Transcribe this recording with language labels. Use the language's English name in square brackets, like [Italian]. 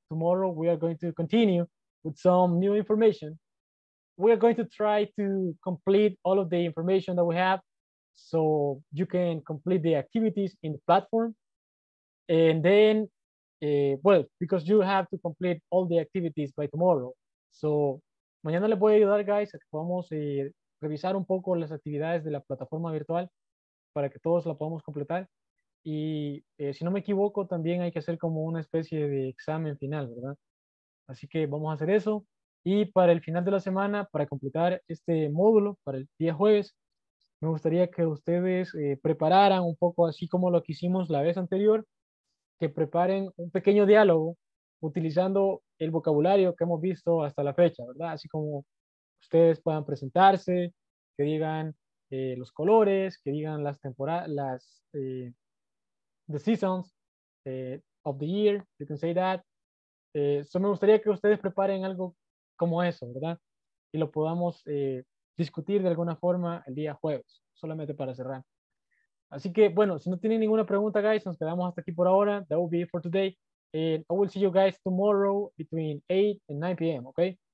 [English] Tomorrow we are going to continue with some new information. We are going to try to complete all of the information that we have so you can complete the activities in the platform. And then, well, because you have to complete all the activities by tomorrow. [Spanish] So, mañana les voy a ayudar, guys, a que podamos revisar un poco las actividades de la plataforma virtual para que todos la podamos completar. Y si no me equivoco, también hay que hacer como una especie de examen final, ¿verdad? Así que vamos a hacer eso. Y para el final de la semana, para completar este módulo, para el día jueves, me gustaría que ustedes prepararan un poco así como lo que hicimos la vez anterior, que preparen un pequeño diálogo utilizando el vocabulario que hemos visto hasta la fecha, ¿verdad? Así como ustedes puedan presentarse, que digan los colores, que digan las temporadas, [English] the seasons of the year, you can say that. [Spanish] So me gustaría que ustedes preparen algo como eso, ¿verdad? Y lo podamos discutir de alguna forma el día jueves, solamente para cerrar. Así que, bueno, si no tienen ninguna pregunta, guys, nos quedamos hasta aquí por ahora. [English] That will be it for today. And I will see you guys tomorrow between 8 and 9 p.m., okay?